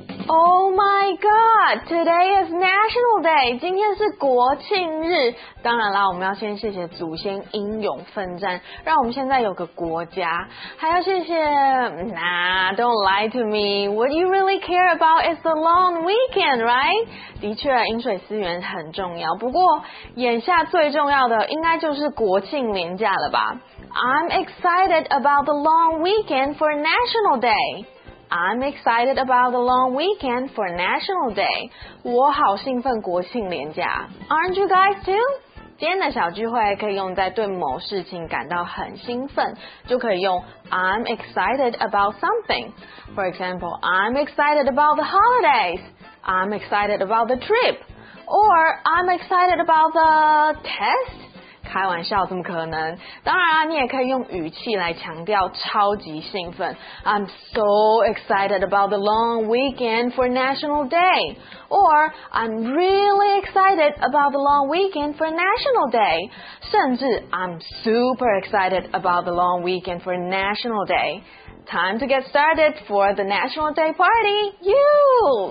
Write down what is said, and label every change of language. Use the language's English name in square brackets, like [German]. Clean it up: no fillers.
[English] Oh my god, today is National Day, [Chinese] 今天是国庆日。当然啦，我们要先谢谢祖先英勇奋战，让我们现在有个国家。还要谢谢 [English] Nah, don't lie to me. What you really care about is the long weekend, right? [Chinese] 的确饮水思源很重要，不过眼下最重要的应该就是国庆连假了吧。 [English] I'm excited about the long weekend for National Day. I'm excited about the long weekend for National Day. [Chinese] 我好兴奋国庆连假。 [English] Aren't you guys too? [Chinese] 今天的小聚会可以用在对某事情感到很兴奋，就可以用 [English] I'm excited about something. For example, I'm excited about the holidays. I'm excited about the trip. Or I'm excited about the test. [Chinese] 开玩笑，怎么可能？当然啊，你也可以用语气来强调超级兴奋。 [English] I'm so excited about the long weekend for National Day. Or, I'm really excited about the long weekend for National Day. [Chinese] 甚至 [English] I'm super excited about the long weekend for National Day. Time to get started for the National Day party. You!